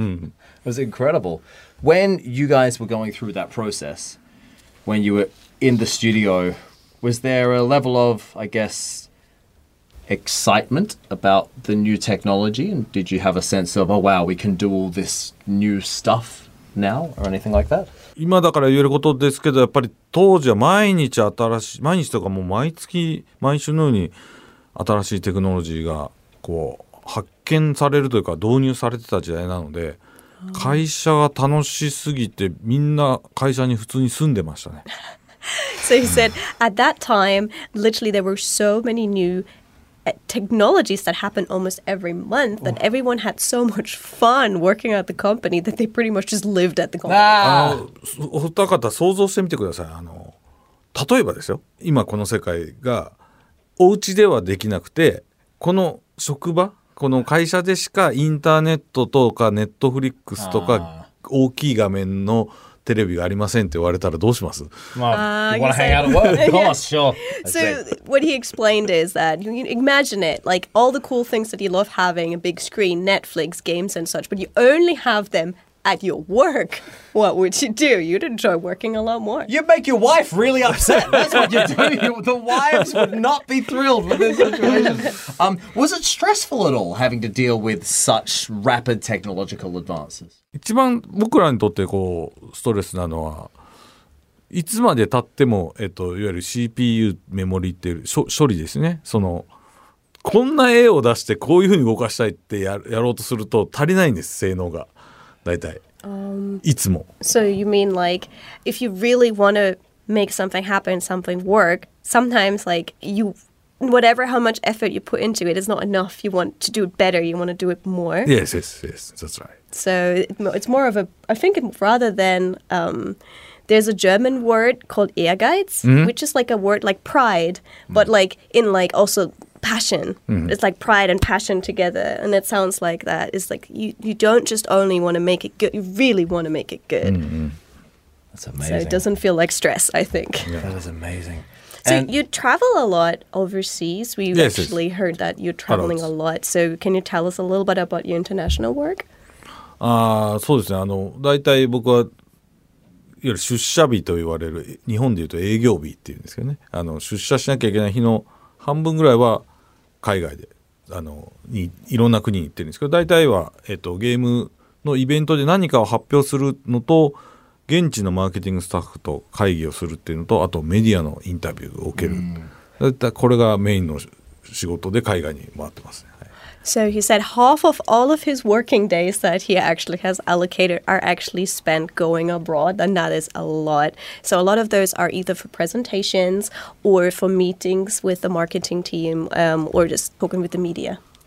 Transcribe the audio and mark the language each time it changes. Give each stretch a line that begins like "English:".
English: It was incredible. When you guys were going through that process, when you were in the studio, was there a level of, I guess, excitement about the new technology, and did you have a sense of, oh wow, we can do all this new stuff? Now or anything like that?
Japanese: 今だから言えることですけど、やっぱり当時は毎日新しい、毎日とかもう毎月毎週のように新しいテクノロジーがこう発見されるというか導入されてた時代なので、会社が楽しすぎてみんな会社に普通に住んでましたね。
English: So he said at that time literally there were so many newtechnologies that happen almost every month that everyone had so much fun working at the company that they pretty much just lived at the company.
Japanese: お二方想像してみてください。例えばですよ、今この世界がお家ではできなくて、この職場、この会社でしかインターネットとかネットフリックスとか大きい画面のテレビがありませんって言われたらどうします？
English: So what he explained is that you imagine it like all the cool things that you love having a big screen, Netflix, games and such, but you only have them at your work. What would you do? You'd enjoy working a lot more. You'd make your wife really upset. That's what you'd do. The wives would not be thrilled with this situation. Was it stressful at all having to deal with such rapid technological advances?
Japanese: 一番僕らにとってこうストレスなのは、いつまで経っても、いわゆる CPU メモリっていう処理ですね。そのこんな絵を出してこういうふうに動かしたいってやろうとすると足りないんです、性能が。大体いつも。
English: So you mean like if you really want to make something happen, something work, sometimes like you whatever how much effort you put into it is not enough. You want to do it better. You want to do it more. Yes, yes, yes. That's right. So it's more of a I think rather than there's a German word called Ehrgeiz, mm-hmm. which is like a word like pride, but like in like also passion. Mm-hmm. It's like pride and passion together. And it sounds like that. It's like you don't just only want to make it good. You really want to make it good. Mm-hmm. That's amazing. So it doesn't feel like stress, I think. Yeah. That is amazing. So and you travel a lot overseas. We actually heard that you're traveling a lot. So can you tell us a little bit about your international work?
Japanese: そうですね。大体僕は、いわゆる出社日と言われる、日本で言うと営業日っていうんですけどね。出社しなきゃいけない日の半分ぐらいは海外で、いろんな国に行ってるんですけど、大体は、ゲームのイベントで何かを発表するのと、現地のマーケティングスタッフと会議をするっていうのと、あとメディアのインタビューを受ける。大体これがメインの仕事で海外に回ってますね。
English: So he said half of all of his working days that he actually has allocated are actually spent going abroad, and that is a lot. So a lot of those are either for presentations or for meetings with the marketing team, or just talking with the media.